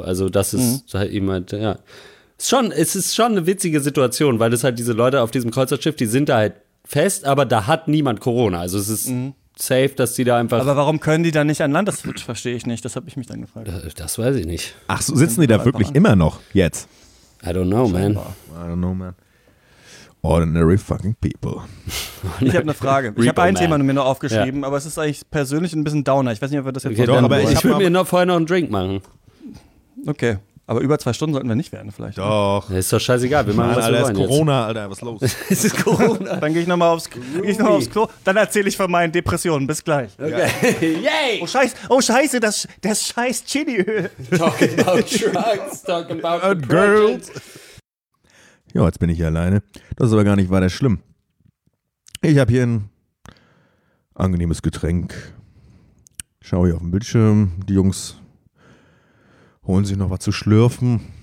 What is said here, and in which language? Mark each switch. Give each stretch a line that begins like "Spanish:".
German: Also das ist halt jemand, ja. Es ist schon eine witzige Situation, weil es halt diese Leute auf diesem Kreuzfahrtschiff, die sind da halt fest, aber da hat niemand Corona. Also es ist safe, dass die da einfach. Aber warum können die da nicht an Land? Das verstehe ich nicht, das habe ich mich dann gefragt. Das weiß ich nicht. Ach so, sitzen die da wirklich immer noch jetzt?
English: I don't know, man. I don't know, man. ordinary fucking people.
German: Ich habe eine Frage. Ich habe ein Thema mir noch aufgeschrieben, aber es ist eigentlich persönlich ein bisschen downer. Ich weiß nicht, ob wir das jetzt okay, so doch, aber wollen. Ich will mir noch vorher noch einen Drink machen. Okay. Aber über 2 Stunden sollten wir nicht werden, vielleicht. Doch. Ne? Ist doch scheißegal, wir machen alles. Ist Corona, jetzt. Alter, was ist los? Es ist Corona. Dann gehe ich nochmal aufs, noch aufs Klo. Dann erzähle ich von meinen Depressionen. Bis gleich. Okay. Yay! Yeah. Oh, Scheiße, das scheiß Chiniöl.
English: Talking about drugs, talking about girls.
German: Ja, jetzt bin ich hier alleine. Das ist aber gar nicht weiter schlimm. Ich habe hier ein angenehmes Getränk. Schau hier auf den Bildschirm, die Jungs. Holen sich noch was zu schlürfen.